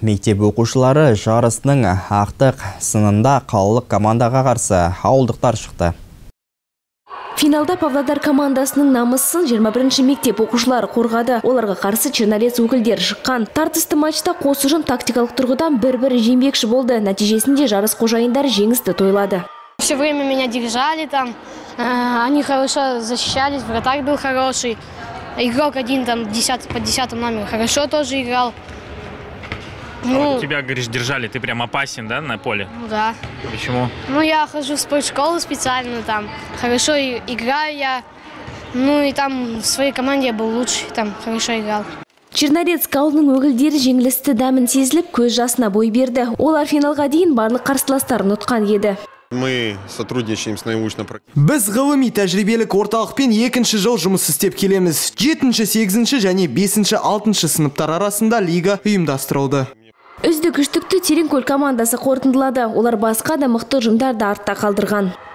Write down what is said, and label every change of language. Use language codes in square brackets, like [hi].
[kk] Мектеп оқушылары жарысының ақтық сынында қалалық командаға қарсы ауылдықтар шықты. Финалда Павлодар командасының намысын 21-ші мектеп оқушылары қорғады. Оларға қарсы Чернолес өкілдер шыққан. Тартысты матчта қос ұжым тактикалық тұрғыдан бір-бір жеңбекші болды. Нәтижесінде жарыс қожайындар жеңісті тойлады. [ru] Все время меня держали там. Они хорошо защищались. Вратарь был хороший. Игрок один там под 10-м номером хорошо тоже играл. Тебя, говоришь, держали. Ты прям опасен, да, на поле? Ну да. Почему? Ну, я хожу в спортшколу специально там. Хорошо играю я. Ну и там в своей команде я был лучше, там хорошо играл. [kk] Чернорец қауылының өгілдері жеңілісті дәмін сезіліп, көз жасына бой берді. Олар финалға дейін барлық қарсыластарын ұтқан еді. [ru] Мы сотрудничаем с научно-практическим. [kk] Біз ғылыми тәжірибелік орталықпен екінші жыл жұмыс істеп келеміз. 7-8 және 5-6 сыныптар арасында лига ұйымдастырылды. Үздік үштікті Тереңкөл командасы қорытындылады. Олар басқа да мықты ұжымдарды артта қалдырған.